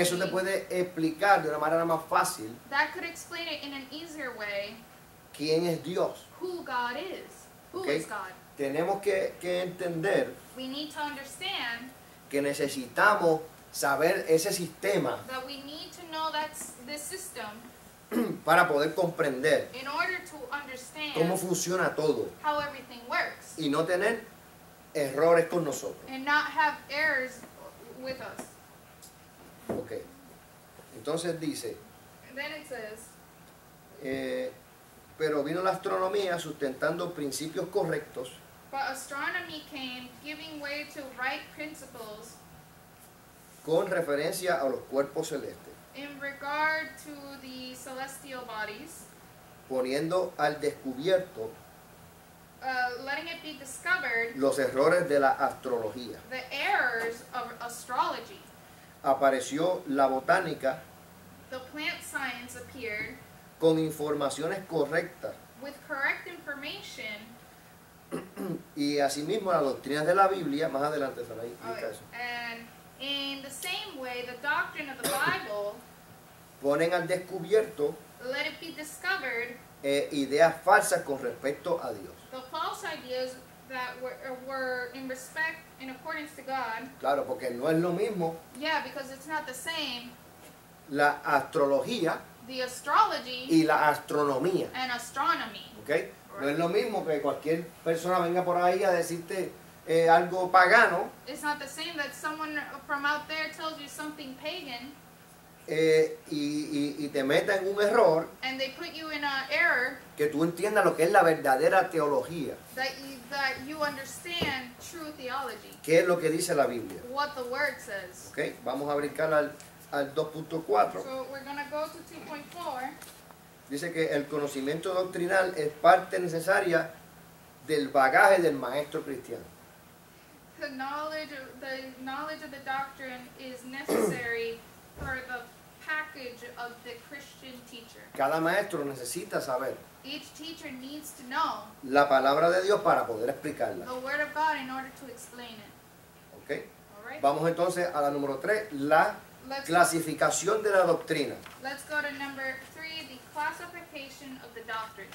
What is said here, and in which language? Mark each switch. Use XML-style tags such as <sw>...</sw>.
<es>eso te puede explicar de una manera más fácil,</es> <en>that could explain it in an easier way,</en> <es>quién es Dios.</es> <en>Who God is. Who okay? is God.</en> <es>Tenemos que entender,</es> <en>we need to understand,</en> <es>que necesitamos saber ese sistema,</es> <en>that we need to know that this system,</en> <es>para poder comprender,</es> <en>in order to understand,</en> <es>cómo funciona todo,</es> <en>how everything works,</en> <es>y no tener errores con nosotros,</es> <en>and not have errors with us.</en> <es>Okay. Entonces dice,</es> <en>then it says,</en> <es>pero vino la astronomía sustentando principios correctos,</es> <en>but astronomy came giving way to right principles,</en> <es>con referencia a los cuerpos celestes,</es> <en>in regard to the celestial bodies,</en> <es>poniendo al descubierto,</es> <en>letting it be discovered,</en> <es>los errores de la astrología,</es> <en>the errors of astrology.</en> <es>Apareció la botánica,</es> <en>the plant science appeared,</en> <es>con informaciones correctas,</es> <en>with correct information,</en> <es>y asimismo la doctrina de la Biblia, más adelante se va a explicar eso.</es> <en>In the same way, the doctrine of the Bible,</en> <es>ponen al descubierto,</es> <en>let it be discovered,</en> <es>ideas falsas con respecto a Dios.</es> <en>The false ideas that were in respect, in accordance to God.</en> <es>Claro, porque no es lo mismo.</es> <en>Yeah, because it's not the same.</en> <es>La astrología.</es> <en>The astrology.</en> <es>Y la astronomía.</es> <en>And astronomy. Okay. Right.</en> <es>No es lo mismo que cualquier persona venga por ahí a decirte, algo pagano.</es> <en>It's not the same that someone from out there tells you something pagan.</en> <es>Y te meta en un error.</es> <en>And they put you in an error.</en> <es>Que tú entiendas lo que es la verdadera teología.</es> <en>That you understand true theology.</en> <es>¿Qué es lo que dice la Biblia?</es> <en>What the word says.</en> <es>Okay, vamos a brincar al 2.4.</es> <en>So we're going to go to 2.4.</en> <es>Dice que el conocimiento doctrinal es parte necesaria del bagaje del maestro cristiano.</es> <en>The knowledge of the doctrine is necessary for the package of the Christian teacher.</en> <es>Cada maestro necesita saber.</es> <en>Each teacher needs to know.</en> <es>La palabra de Dios para poder explicarla.</es> <en>The word of God in order to explain it. Okay. All right.</en> <es>Vamos entonces a la número 3, la clasificación de la doctrina.</es> <en>Let's go to number 3, the classification of the doctrine.</en>